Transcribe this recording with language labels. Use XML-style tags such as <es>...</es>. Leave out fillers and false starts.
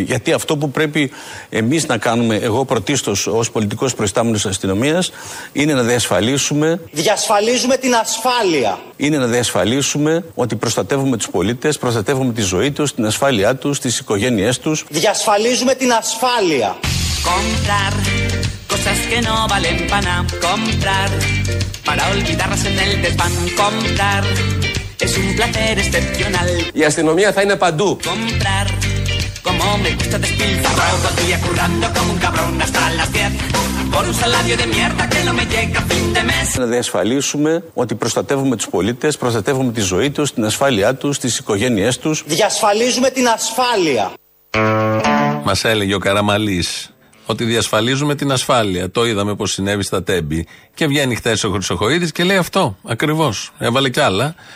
<el>Γιατί αυτό που πρέπει εμείς να κάνουμε, εγώ πρωτίστως ως πολιτικός προϊστάμενος αστυνομίας, είναι να διασφαλίσουμε. Διασφαλίζουμε την ασφάλεια. Είναι να διασφαλίσουμε ότι προστατεύουμε τους πολίτες, προστατεύουμε τη ζωή τους, την ασφάλειά τους, τις οικογένειές τους. Διασφαλίζουμε την ασφάλεια.</el> <es>Comprar cosas que no valen para nada. Comprar para olvidarlas en el desván. Comprar es un placer excepcional. Y astronomía está en el pandú. Comprar como me gusta despilfarrar. Todo el día currando como un cabrón hasta las 10. Por un salario de mierda que no me llega a fin de mes.</es> <el>Να διασφαλίσουμε ότι προστατεύουμε τους πολίτες, προστατεύουμε τη ζωή τους, την ασφάλειά τους, τις οικογένειές τους. Διασφαλίζουμε την ασφάλεια. Μας έλεγε ο Καραμαλής ότι διασφαλίζουμε την ασφάλεια. Το είδαμε πως συνέβη στα Τέμπη. Και βγαίνει χθες ο Χρυσοχοίδης και λέει αυτό ακριβώς. Έβαλε κι άλλα.</el>